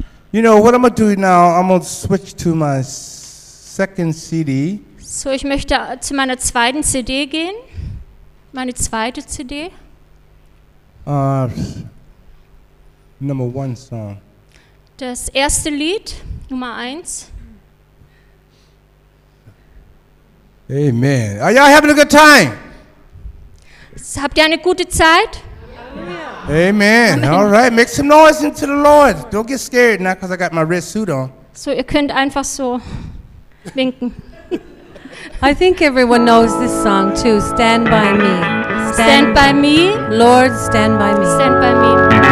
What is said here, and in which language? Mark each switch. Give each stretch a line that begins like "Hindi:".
English: You know what I'm going to do now? I'm going to switch to my second CD.
German: So, ich möchte zu meiner zweiten CD gehen. Meine zweite CD.
English: Number one song.
German: Das erste Lied, Nummer 1. Amen.
English: Are y'all having a good time?
German: Habt ihr eine gute Zeit? Amen.
English: All right, make some noise into the Lord. Don't get scared now because I got my red suit on.
German: So ihr könnt einfach so winken.
English: I think everyone knows this song too. Stand by me. Stand by me. Lord, stand by me. Stand by me.